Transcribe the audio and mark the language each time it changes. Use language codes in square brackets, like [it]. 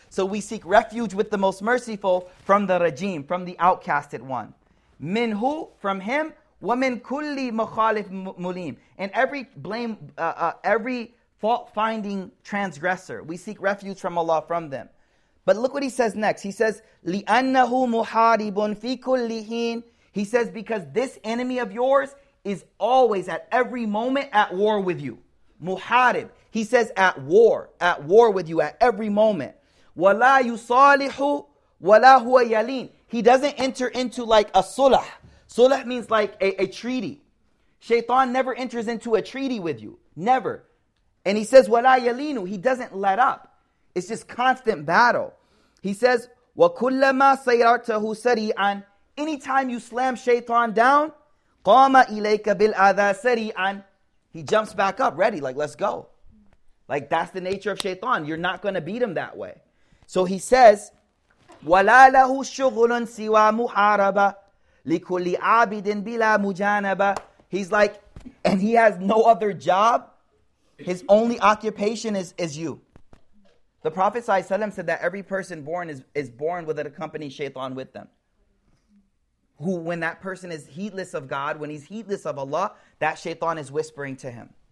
[en] So we seek refuge with the most merciful from the rajim, from the outcasted one. [ar] Min hu, [en] from him, [ar] wa min kulli mukhalif mulim. [en] And every blame, every fault-finding transgressor, we seek refuge from Allah from them. But look what he says next. He says, [ar] لِأَنَّهُ مُحَارِبٌ فِي كُلِّ حِينٍ. [en] He says, because this enemy of yours is always, at every moment, at war with you. Muharib. He says at war with you at every moment. [ar] وَلَا يُصَالِحُ وَلَا هُوَ يَلِينَ. [en] He doesn't enter into like a sulah. Sulah means like a treaty. Shaitan never enters into a treaty with you. Never. And he says [ar] وَلَا يَلِينُ. [en] He doesn't let up. It's just constant battle. He says [ar] وَكُلَّمَا سَيَّرْتَهُ سَرِيعًا. [en] Anytime you slam Shaitan down, [ar] قَامَ إِلَيْكَ بِالْأَذَى سَرِيعًا. [en] He jumps back up ready, like, let's go. Like, that's the nature of shaitan. You're not going to beat him that way. So he says, [ar] ولا له شغل سوى محاربة لكل عابد بلا مجانبة. [en] He's like, and he has no other job. His only occupation is you. The Prophet ﷺ said that every person born is born with an accompanying shaitan with them. Who, when that person is heedless of God, when he's heedless of Allah, that shaitan is whispering to him.